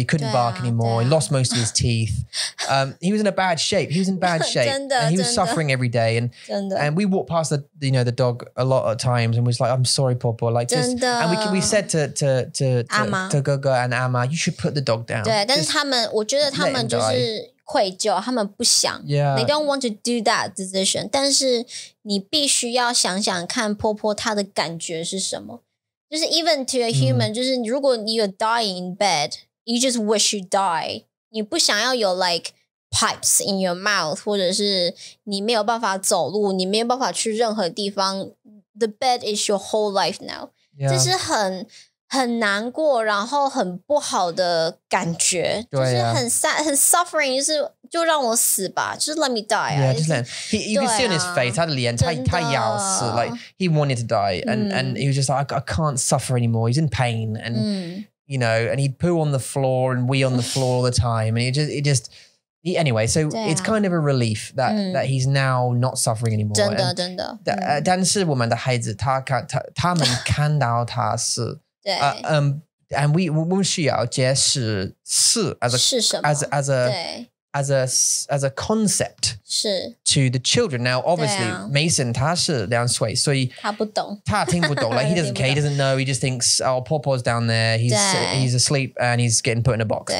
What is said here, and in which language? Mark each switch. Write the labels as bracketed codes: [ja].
[en] He couldn't bark anymore. He lost most of his teeth. He was in a bad shape. He was in bad shape. And he was suffering every day. And we walked past the dog a lot of times and was like, I'm sorry, Popo. Like, just, and we said to Gogo and Amma, you should put the dog down. [zh] 对，但是他们，我觉得他们就是愧疚，他们不想。 [en] Yeah. They don't want to do that decision. [zh] 但是你必须要想想看Popo他的感觉是什么。 [en] Just even to a human, just if you're dying in bed, you just wish you die. You don't want to have like pipes in your mouth, or you don't have to walk, you don't have to go to any place. The bed is your whole life now. Yeah. This is [zh] 很难过，然后很不好的感觉，对啊、就是很 sad， 很 suffering， 就是就让我死吧，就是 [en] let me die、啊。Yeah, just let. You can see on his face， [zh] 他的脸，他要死 [en] ，like he wanted to die， and he was just like I can't suffer anymore. He's in pain, and、you know, and he'd poo on the floor and wee on the floor all the time, and it just. Anyway, so it's kind of a relief that,、that he's now not suffering anymore. [zh] 真的真的。但是我们的孩子，他们看到他死。 [en] And we should have to as a concept to the children. Now, obviously, Mason, he's 2 years old, so he doesn't care, he doesn't know, he just thinks, oh, Popo's down there, he's asleep and he's getting put in a box.